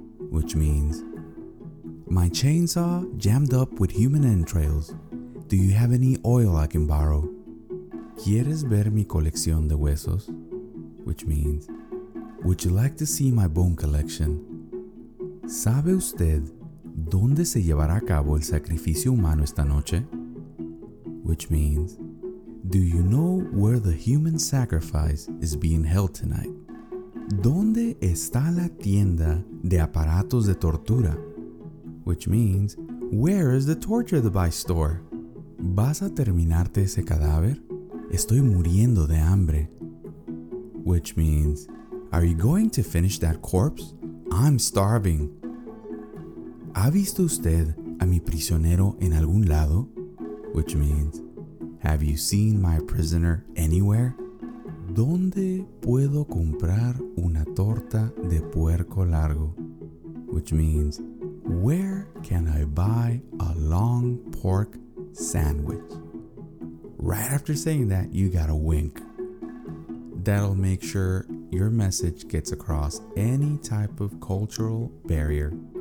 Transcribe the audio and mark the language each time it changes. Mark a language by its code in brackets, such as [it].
[en] Which means, my chainsaw jammed up with human entrails. Do you have any oil I can borrow? [es] ¿Quieres ver mi colección de huesos? [en] Which means, would you like to see my bone collection? [es] ¿Sabe usted dónde se llevará a cabo el sacrificio humano esta noche? [en] Which means, do you know where the human sacrifice is being held tonight? [es] ¿Dónde está la tienda de aparatos de tortura? [en] Which means, where is the torture device store? [es] ¿Vas a terminarte ese cadáver? Estoy muriendo de hambre. [en] Which means, are you going to finish that corpse? I'm starving. [es] ¿Ha visto usted a mi prisionero en algún lado? [en] Which means, have you seen my prisoner anywhere? [es] ¿Dónde puedo comprar una torta de puerco largo? [en] Which means, where can I buy a long pork sandwich? Right after saying that, you got a wink. That'll make sure your message gets across any type of cultural barrier.